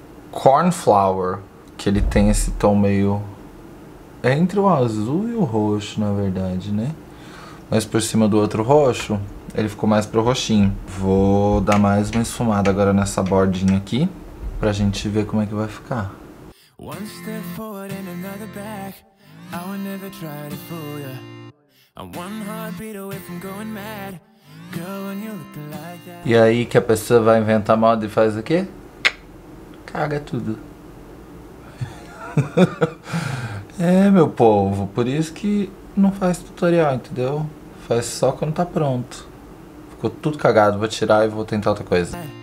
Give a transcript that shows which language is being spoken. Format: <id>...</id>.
<pt>Cornflower, que ele tem esse tom meio... É entre o azul e o roxo, na verdade, né? Mas por cima do outro roxo, ele ficou mais pro roxinho. Vou dar mais uma esfumada agora nessa bordinha aqui, pra gente ver como é que vai ficar.</pt> <en>One step forward and another back. I would never try to fool ya. I'm one heartbeat away from going mad. Girl, when you look like that.</en> <pt>E aí que a pessoa vai inventar moda e faz o quê? Caga tudo. É, meu povo, por isso que não faz tutorial, entendeu? Faz só quando tá pronto. Ficou tudo cagado, vou tirar e vou tentar outra coisa.</pt>